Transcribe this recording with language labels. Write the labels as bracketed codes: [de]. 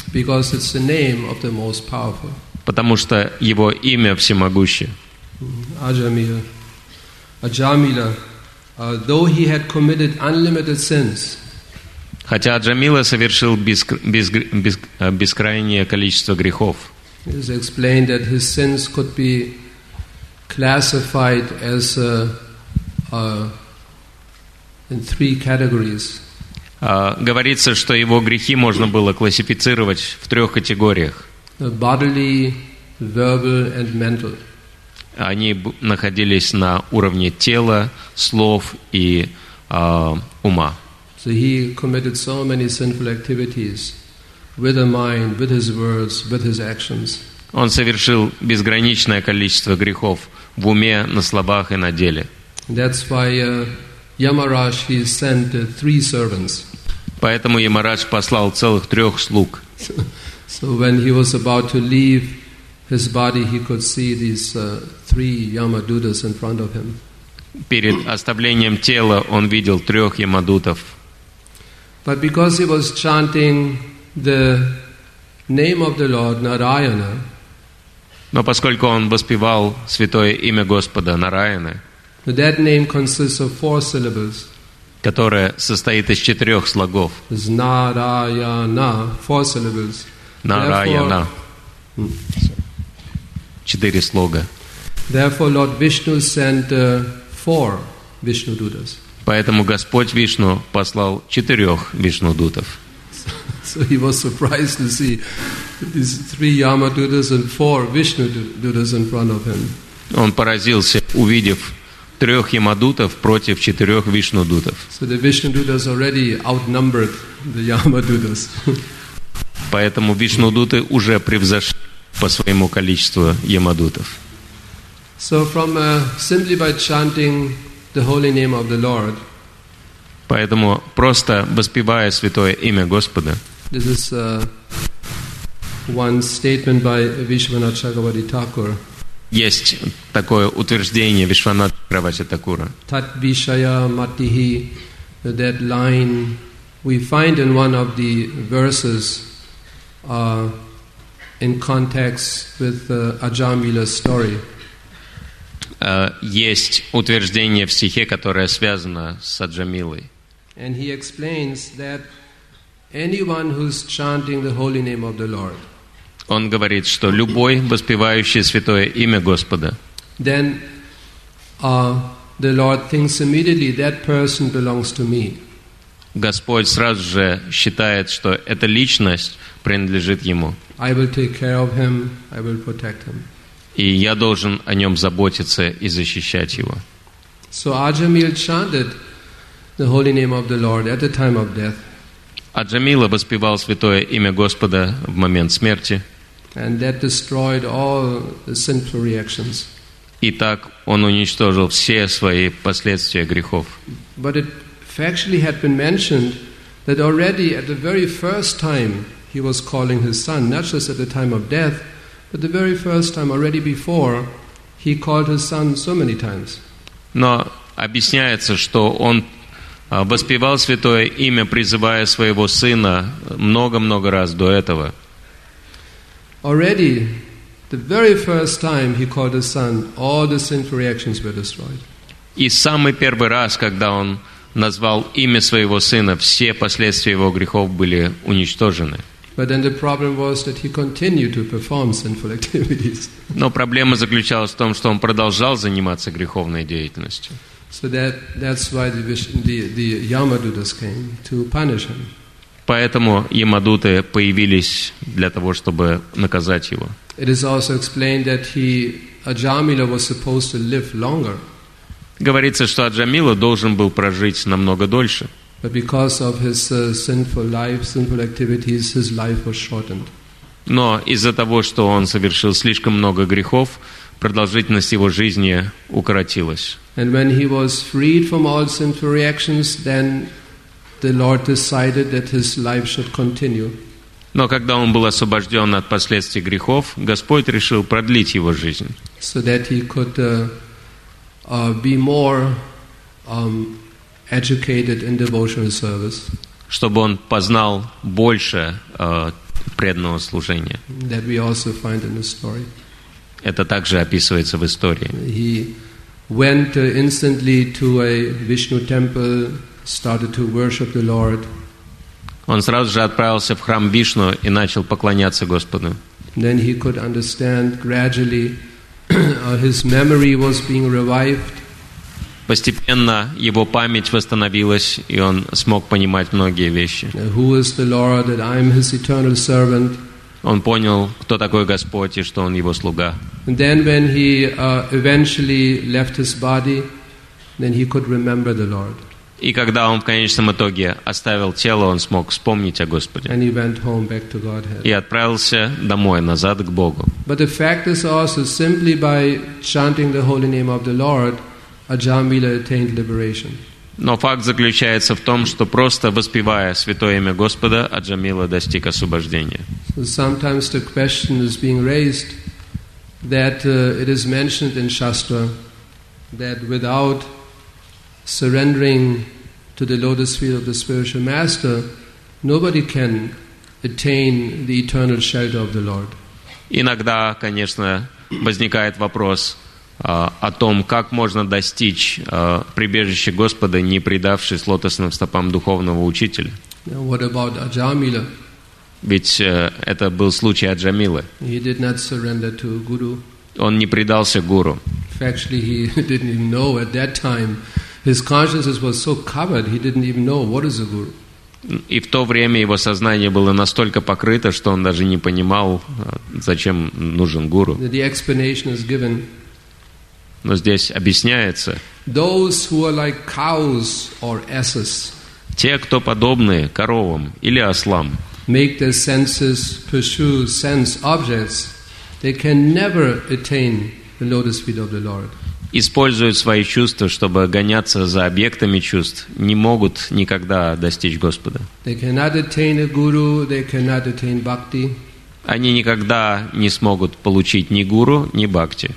[en] Because it's the name of the most powerful. [ru] Потому что его имя всемогущее. [en] Ajamila. Ajamila, though he had committed unlimited sins. [ru] Хотя Аджамила совершил бескрайнее количество грехов. [en] It is explained that his sins could be classified as in three categories. [ru] Говорится, что его грехи можно было классифицировать в трех категориях. [en] Bodily, verbal, and mental. [ru] Они находились на уровне тела, слов и ума. [en] So he committed so many sinful activities with his mind, with his words, with his actions. [ru] Он совершил безграничное количество грехов в уме, на словах и на деле. [en] That's why Yamaraj he sent three servants. [ru] Поэтому Ямарадж послал целых трех слуг. [en] So when he was about to leave his body, he could see these three Yamadutas in front of him. [ru] Перед оставлением тела он видел трех Ямадутов. [en] But because he was chanting the name of the Lord Narayana. [ru] Но поскольку он воспевал святое имя Господа Нараяны. [en] That name consists of four syllables. [ru] Которая состоит из четырех слогов. [en] Нараяна, four syllables. [ru] Нараяна. Четыре слога. [en] Therefore, Lord Vishnu sent four Vishnu Dutas. [ru] Поэтому Господь Вишну послал четырех Вишну Дутов. [en] So he was surprised to see these three Yama Dutas and four Vishnu Dutas in front of him. [ru] Он поразился, увидев трех Ямадутов против четырех Вишнудутов. [en] So the Vishnudutas already outnumbered the Yamadutas. [ru] Поэтому Вишнудуты уже превзошли по своему количеству Ямадутов. [en] So from simply by chanting the holy name of the Lord. [ru] Поэтому просто воспевая святое имя Господа. [en] This is one statement by Vishwanath Chakravarti Thakur. [ru] Есть такое утверждение Вишванат Чакраварти Такура. [sa] Tat vishaya matihi, [en] that line we find in one of the verses in context with Ajamila's story. [ru] Есть утверждение в стихе, которое связано с Аджамилой. [en] And he explains that anyone who's chanting the holy name of the Lord. [ru] Он говорит, что любой, воспевающий святое имя Господа, [en] then, the Lord thinks immediately that person belongs to me. [ru] Господь сразу же считает, что эта личность принадлежит Ему. [en] I will take care of him, I will protect him. [ru] И я должен о нем заботиться и защищать его. [en] So Ajamila chanted the holy name of the Lord at the time of death. [ru] Аджамила воспевал святое имя Господа в момент смерти. [en] And that destroyed all the sinful reactions. [ru] И так он уничтожил все свои последствия грехов. [en] But it factually had been mentioned that already at the very first time he was calling his son, not just at the time of death, but the very first time already before, he called his son so many times. [ru] Но объясняется, что он воспевал святое имя, призывая своего сына много-много раз до этого. [en] Already, the very first time he called his son, all the sinful reactions were destroyed. [ru] И самый первый раз, когда он назвал имя своего сына, все последствия его грехов были уничтожены. [en] But then the problem was that he continued to perform sinful activities. [ru] Но проблема заключалась в том, что он продолжал заниматься греховной деятельностью. [en] So that's why the Yamadutas came to punish him. [ru] Поэтому Ямадуты появились для того, чтобы наказать его. [en] It is also explained that Аджамила was supposed to live longer. [ru] Говорится, что Аджамила должен был прожить намного дольше. [en] But because of his sinful activities, his life was shortened. [ru] Но из-за того, что он совершил слишком много грехов, продолжительность его жизни укоротилась. [en] And when he was freed from all sinful reactions, then the Lord decided that his life should continue. [ru] Но когда он был освобожден от последствий грехов, Господь решил продлить его жизнь. [en] So that he could be more educated in devotional service. [ru] Чтобы он познал больше преданного служения. [en] That we also find in the story. [ru] Это также описывается в истории. [en] He went instantly to a Vishnu temple, started to worship the Lord. [ru] Он сразу же отправился в храм Вишну и начал поклоняться Господу. [en] Then he could understand gradually his memory was being revived. [ru] Постепенно его память восстановилась, и он смог понимать многие вещи. [en] Who is the Lord, that I am his eternal servant? [ru] Он понял, кто такой Господь и что он его слуга. [en] And then when he eventually left his body, then he could remember the Lord. [ru] И когда он в конечном итоге оставил тело, он смог вспомнить о Господе. [en] And he went home back to Godhead. [ru] И отправился домой, назад к Богу. [en] But the fact is also simply by chanting the holy name of the Lord, Аджамила attained liberation. [ru] Но факт заключается в том, что просто воспевая святое имя Господа, Аджамила достиг освобождения. [en] So sometimes the question is being raised that it is mentioned in Shastra that without surrendering to the lotus feet of the spiritual master, nobody can attain the eternal shelter of the Lord. [ru] Иногда, конечно, возникает вопрос о том, как можно достичь прибежища Господа, не предавшись лотосным стопам духовного учителя. [en] Now, what about Аджамила? [ru] Ведь это был случай Аджамилы. [en] He did not surrender to Guru. [ru] Он не предался Гуру. [en] Actually, he didn't even know at that time. His consciousness was so covered, he didn't even know what is a guru. [ru] И в то время его сознание было настолько покрыто, что он даже не понимал, зачем нужен гуру. [en] The explanation is given. [ru] Но здесь объясняется. [en] Those who are like cows or asses. [ru] Те, кто подобны коровам или ослам. [en] Make their senses pursue sense objects. They can never attain the lotus feet of the Lord. [ru] Используют свои чувства, чтобы гоняться за объектами чувств, не могут никогда достичь Господа. [en] They cannot attain a guru, they cannot attain bhakti. [ru] Они никогда не смогут получить ни гуру, ни бхакти.